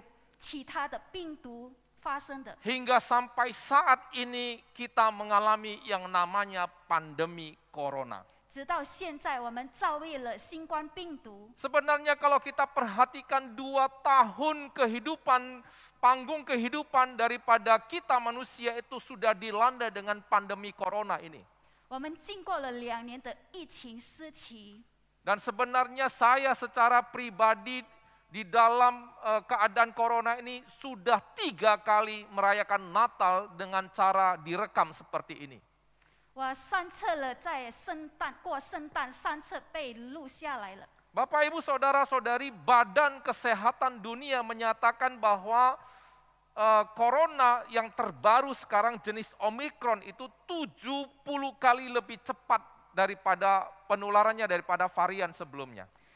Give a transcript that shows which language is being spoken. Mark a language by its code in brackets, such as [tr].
[zh] 而且呢，在整个我们人类生活的历史中，还有其他的病毒发生的。 [id] Hingga sampai saat ini kita mengalami yang namanya pandemi corona. [zh] 直到现在，我们遭遇了新冠病毒。 [id] Sebenarnya kalau kita perhatikan 2 tahun kehidupan, panggung kehidupan daripada kita manusia itu sudah dilanda dengan pandemi corona ini. Dan sebenarnya saya secara pribadi di dalam keadaan corona ini sudah 3 kali merayakan Natal dengan cara direkam seperti ini. [zh] 我三次了，在圣诞过圣诞三次被录下来了。 [id] Bapak, Ibu, Saudara, Saudari, Badan Kesehatan Dunia menyatakan bahwa corona yang terbaru sekarang jenis Omicron itu 70 kali lebih cepat daripada penularannya daripada varian sebelumnya.